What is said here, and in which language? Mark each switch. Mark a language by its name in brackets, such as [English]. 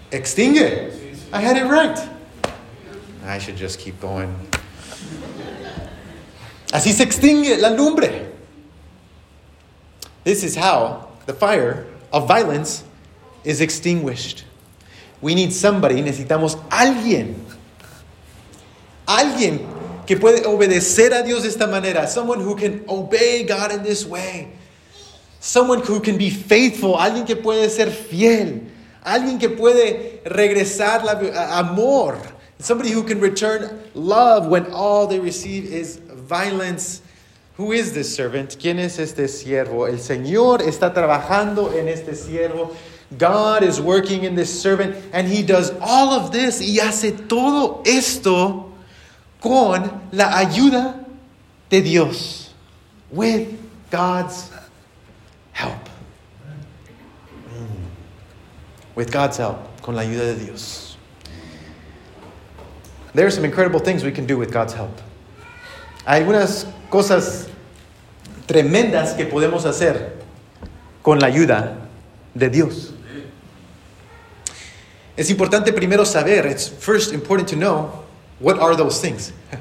[English] Extingue. I had it right. I should just keep going. [Spanish] Así se extingue la lumbre. [English] This is how the fire of violence is extinguished. We need somebody. [Spanish] Necesitamos alguien. Alguien que puede obedecer a Dios de esta manera. [English] Someone who can obey God in this way. Someone who can be faithful. [Spanish] Alguien que puede ser fiel. Alguien que puede regresar amor. [English] Somebody who can return love when all they receive is violence. Who is this servant? [Spanish] ¿Quién es este siervo? El Señor está trabajando en este siervo. [English] God is working in this servant, and he does all of this, [Spanish] y hace todo esto con la ayuda de Dios, [English] with God's help. With God's help, [Spanish] con la ayuda de Dios. [English] There are some incredible things we can do with God's help. [Spanish] Hay algunas cosas tremendas que podemos hacer con la ayuda de Dios. Es importante primero saber, [English] it's first important to know, what are those things?